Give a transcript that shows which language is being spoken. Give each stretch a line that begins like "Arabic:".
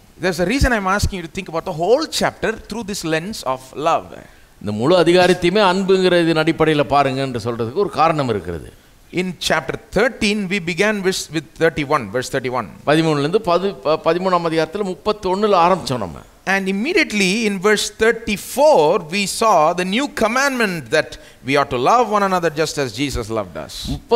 English: There's a reason I'm asking you to think about the whole chapter through this lens of love.
Tamil: இந்த முழு அதிகாரத்தையுமே அன்புங்கிற இதன் அடிப்படையில் பாருங்கன்று சொல்கிறதுக்கு ஒரு காரணம் இருக்கிறது.
English: In chapter 13, we began with 31, verse 31. And immediately in verse 34, we saw the new commandment that we ought to love one another just as Jesus loved us.